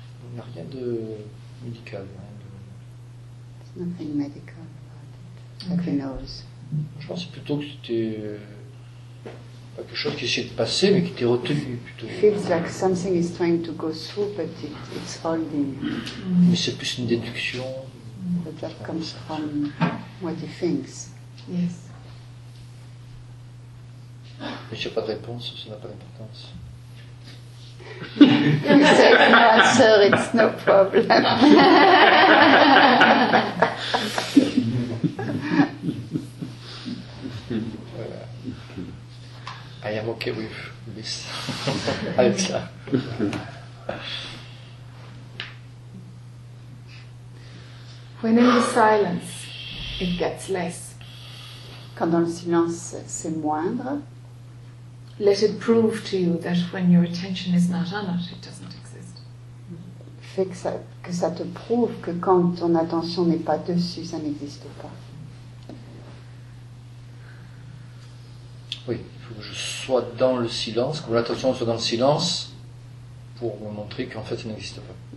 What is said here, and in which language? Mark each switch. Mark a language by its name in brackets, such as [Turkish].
[French] Il n'y a rien de médical, rien de... [English] It's nothing medical about it. Okay. Like he knows. [French] Je pense plutôt que c'était pas quelque chose qui essayait de passer, mais qui était retenu plutôt. [English] It feels like something is trying to go through, but it's holding. [French] Mais c'est plus une déduction. [English] But that comes from what he thinks. Yes. [French] Mais j'ai pas de réponse, ça n'a pas d'importance. [English] Except no answer, it's no problem. I am okay with this. [French] Avec ça. [English] When in the silence, it gets less. [French] Quand dans le silence, c'est moindre. [English] Let it prove to you that when your attention is not on it, it doesn't exist. [French] Fait que ça te prouve que quand ton attention n'est pas dessus, ça n'existe pas. Oui. Il faut que je sois dans le silence, que mon attention soit dans le silence pour me montrer qu'en fait, ça n'existe pas.